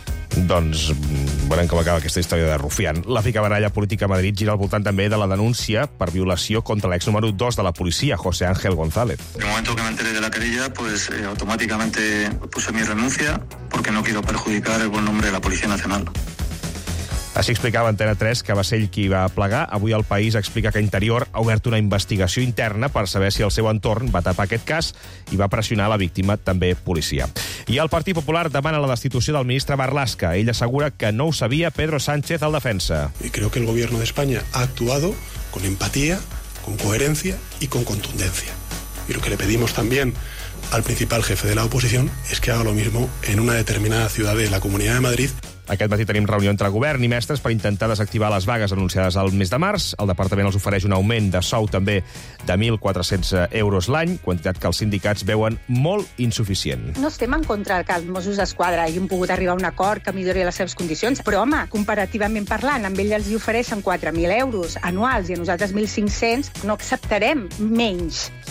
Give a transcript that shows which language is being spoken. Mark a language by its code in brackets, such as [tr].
[ca] Doncs veurem com acaba aquesta història de Rufián. La fica baralla política a Madrid gira al voltant també de la denúncia per violació contra l'ex número 2 de la policia, José Ángel González. [es] En el momento que me enteré de la querella, pues automáticamente puse mi renuncia porque no quiero perjudicar el buen nombre de la Policía Nacional. [ca] Així explicava Antena 3 que va ser ell qui va plegar. Avui el País explica que Interior ha obert una investigació interna per saber si el seu entorn va tapar aquest cas i va pressionar la víctima, també policia. I el Partit Popular demana la destitució del ministre Marlaska. Ell assegura que no ho sabia Pedro Sánchez al defensa. [es] Y creo que el gobierno de España ha actuado con empatía, con coherencia y con contundencia. Y lo que le pedimos también al principal jefe de la oposición es que haga lo mismo en una determinada ciudad de la Comunidad de Madrid. [ca] Aquest matí tenim reunió entre govern i mestres per intentar desactivar les vagues anunciades al mes de març. El departament els ofereix un augment de sou també de 1.400 euros l'any, quantitat que els sindicats veuen molt insuficient. No estem en contra que els Mossos d'Esquadra hagin pogut arribar a un acord que millori les seves condicions, però, home, comparativament parlant, amb ells els hi ofereixen 4.000 euros anuals i a nosaltres 1.500, no acceptarem menys.